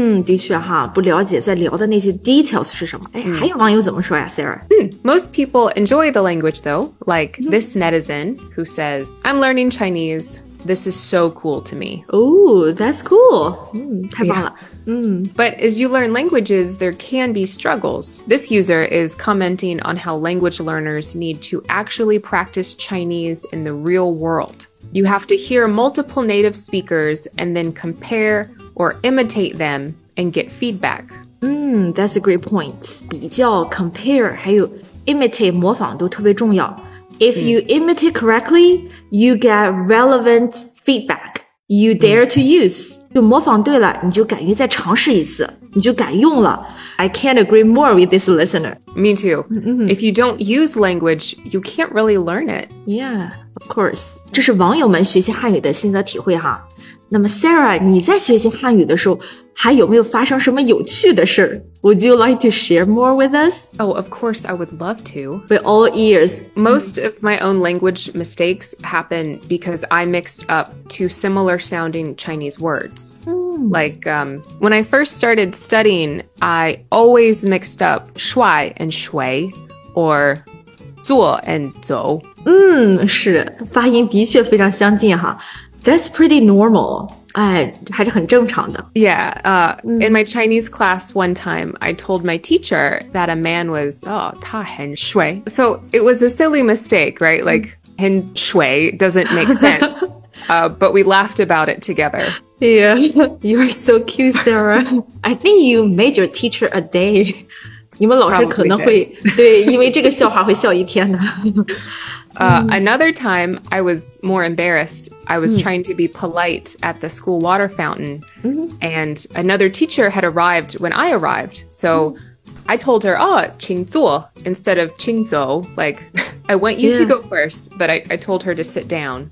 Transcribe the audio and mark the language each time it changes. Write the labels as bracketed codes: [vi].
[zh] 的确哈，不了解在聊的那些 details 是什么。哎，还有网友怎么说呀 ,Sarah? [en] Most people enjoy the language though, like this netizen who says, I'm learning Chinese, this is so cool to me. Oh, that's cool. [zh] 太棒了。 [en] But as you learn languages, there can be struggles. This user is commenting on how language learners need to actually practice Chinese in the real world. You have to hear multiple native speakers and then compare or imitate them and get feedback. That's a great point. [zh] 比较 compare 还有 imitate 模仿都特别重要。 [en] If you imitate correctly, you get relevant feedback. You dare to use. [zh] 就模仿对了，你就敢于再尝试一次，你就敢用了。 [en] I can't agree more with this listener. Me too. If you don't use language, you can't really learn it. Yeah, of course. [zh] 这是网友们学习汉语的心得体会哈。那么 Sarah, 你在学习汉语的时候，还有没有发生什么有趣的事儿？ [en] Would you like to share more with us? Oh, of course, I would love to. We're all ears. Most of my own language mistakes happen because I mixed up two similar sounding Chinese words. Like, when I first started studying, I always mixed up shuai and shui, or zuo and zou. [zh] 是，发音的确非常相近哈。 [en] That's pretty normal. [zh] 还是很正常的。 [en] Yeah, in my Chinese class one time, I told my teacher that a man was, oh, [zh] 他很 shui. [en] So it was a silly mistake, right? Like, [zh] 很 shui [en] doesn't make sense. but we laughed about it together. Yeah, you're so cute, Sarah. I think you made your teacher a day. [zh] 你们老师可能会对，因为这个笑话会笑一天呢。 [en] Another time, I was more embarrassed. I was trying to be polite at the school water fountain, and another teacher had arrived when I arrived. So I told her, oh, [zh] 请坐, [en] instead of [zh] 请走, [en] like, I want you to go first, but I told her to sit down.